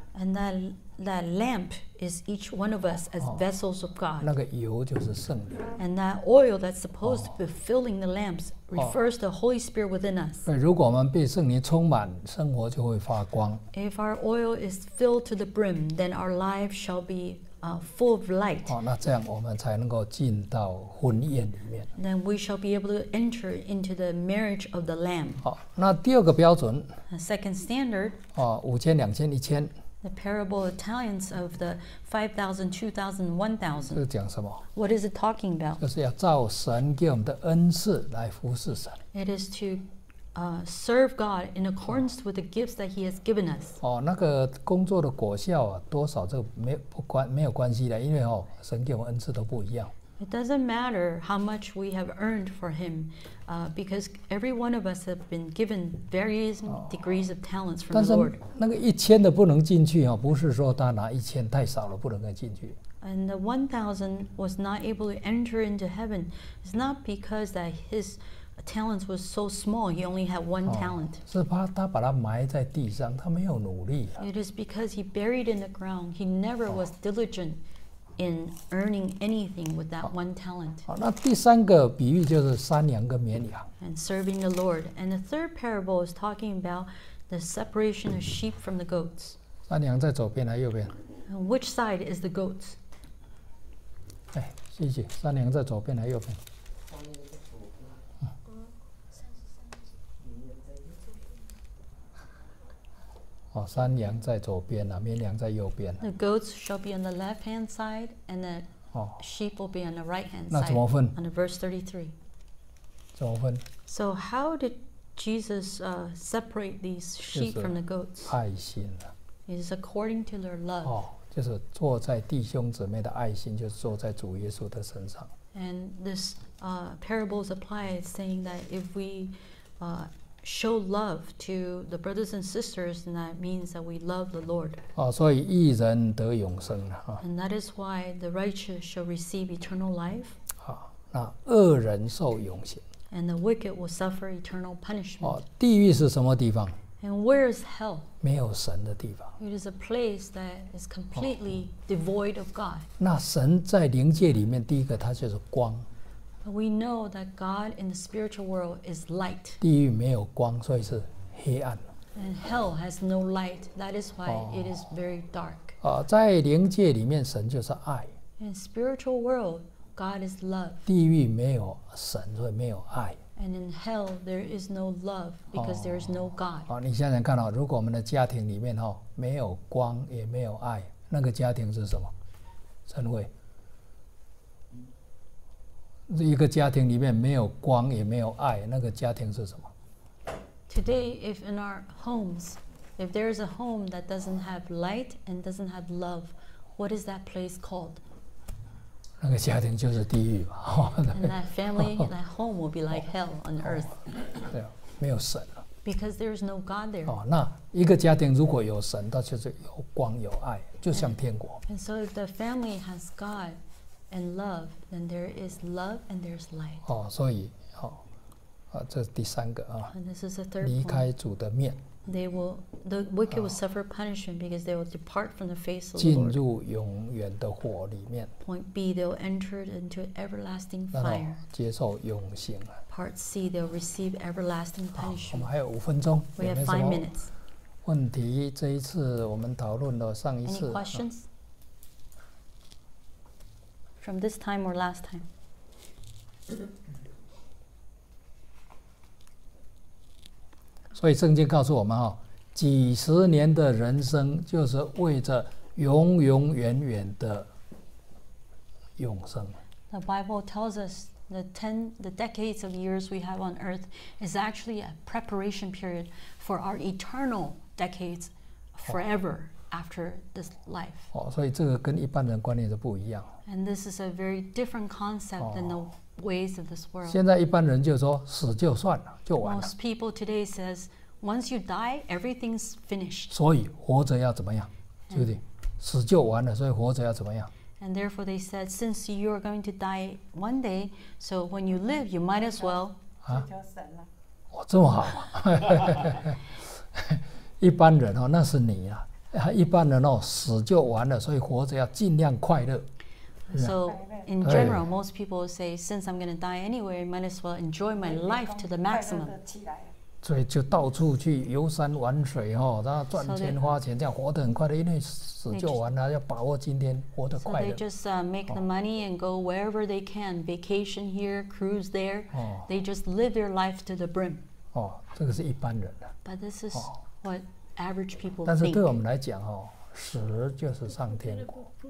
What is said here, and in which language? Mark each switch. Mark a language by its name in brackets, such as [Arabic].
[English] And that lamp is each one of us as vessels of God. [Chinese] 那个油就是圣灵。 [English] And that oil that's supposed to be filling the lamps refers to the Holy Spirit within us. [Chinese] 如果我们被圣灵充满，生活就会发光。 [English] If our oil is filled to the brim, then our life shall be full of light. [Chinese] 那这样我们才能够进到婚宴里面。 [English] Then we shall be able to enter into the marriage of the Lamb. [Chinese] 那第二个标准。 [English] A second standard. [Chinese] 五千、两千、一千。 [English] The parable of talents of the 5,000, 2,000, 1,000. [Chinese] 这是讲什么 [English] ？What is it talking about？ [Chinese] 就是要照神给我们的恩赐来服侍神。 [English] It is to serve God in accordance with the gifts that He has given us. [Chinese] 那个工作的果效啊，多少这没有关系的，因为神给我们恩赐都不一样。 [English] It doesn't matter how much we have earned for Him, because every one of us have been given various degrees of talents from the Lord. [Chinese] 那个一千的不能进去不是说他拿一千太少了不能进去。 [English] And the 1,000 was not able to enter into heaven. It's not because that His talents was so small. He only had one talent. [Chinese] 是怕他把它埋在地上，他没有努力。 [English] It is because he buried in the ground. He never was diligent in earning anything with that one talent. [Chinese] 好，那第三个比喻就是山羊跟绵羊。 [English] And serving the Lord. And the third parable is talking about the separation of sheep from the goats. [Chinese] 山羊在左边还是右边？ [English] Which side is the goats? [Chinese] 哎，谢谢。山羊在左边还是右边？哦，山羊在左边啊，绵羊在右边啊。 [English] The goats shall be on the left-hand side, and the sheep will be on the right-hand side. [Chinese] 那怎么分？ [English] On the verse 33. [Chinese] 怎么分？ [English] So how did Jesus separate these sheep from the goats? [Chinese] 就是爱心啊。 [English] It is according to their love. [Chinese] 哦，就是坐在弟兄姊妹的爱心，就是坐在主耶稣的身上。 [English] And this parables apply saying that if we show love to the brothers and sisters, and that means that we love the Lord. [Chinese] 哦，所以义人得永生啊。 [English] And that is why the righteous shall receive eternal life. [Chinese] 啊，那恶人受永刑。 [English] And the wicked will suffer eternal punishment. [Chinese] 哦，地狱是什么地方？ [English] And where is hell? [Chinese] 没有神的地方。 [English] It is a place that is completely devoid of God. [Chinese] 那神在灵界里面，第一个它就是光。 [English] But we know that God in the spiritual world is light. [Chinese] 地狱没有光，所以是黑暗。 [English] And hell has no light. That is why it is very dark. [Chinese] 在灵界里面，神就是爱。 [English] In spiritual world, God is love. [Chinese] 地狱没有神，所以没有爱。 [English] And in hell, there is no love because there is no God. [Chinese] 你想想看哦，如果我们的家庭里面哦没有光也没有爱，那个家庭是什么？称为？一个家庭里面没有光也没有爱，那个家庭是什么？ [English] Today, if in our homes, if there is a home that doesn't have light and doesn't have love, what is that place called? [Chinese] 那个家庭就是地狱吧。 [English] And that family, that home will be like hell on earth. [Chinese] 对啊，没有神了。 [English] Because there is no God there. [Chinese] 哦，那一个家庭如果有神，它就是有光有爱，就像天国。 [English] And so if the family has God. And love, then there is love and there is light. [Chinese] 哦，所以，哦，啊，这是第三个啊。 [English] And this is the third. [Chinese] 离开主的面。 [English] They will, the wicked will suffer punishment because they will depart from the face of the [Chinese] Lord. 进入永远的火里面。 [English] Point B, they will enter into everlasting fire. [Chinese] 接受永刑啊。 [English] Part C, they will receive everlasting punishment. [Chinese] 我们还有五分钟。 [English] We have 5 minutes. [Chinese] 问题，这一次我们讨论了上一次。 [English] Any questions? From this time or last time? [Chinese] 所以圣经告诉我们，几十年的人生就是为着永永远远的永生。 [English] The Bible tells us the decades of years we have on earth is actually a preparation period for our eternal decades forever after this life. [Chinese] 所以这个跟一般人观念是不一样。 [English] And this is a very different concept than the ways of this world. [Chinese] 现在一般人就说死就算了，就完了。 [English] Most people today says once you die, everything's finished. [Chinese] 所以活着要怎么样，对不对？死就完了，所以活着要怎么样 [English] ？And therefore they said, since you are going to die one day, so when you live, you might as well. [Chinese] 啊？哇，这么好！一般人哦，那是你啊。一般人哦，死就完了，所以活着要尽量快乐。 [English] So, in general, most people say, since I'm going to die anyway, I might as well enjoy my life to the maximum. [Chinese] 所以就到处去游山玩水，然后赚钱花钱，这样活得很快的，因为死就完了，要把握今天，活得快乐。 [English] So they just make the money and go wherever they can, vacation here, cruise there. They just live their life to the brim. [Chinese] 哦，这个是一般人的。 [English] But this is what average people [Chinese] think. 但是对我们来讲，死就是上天国。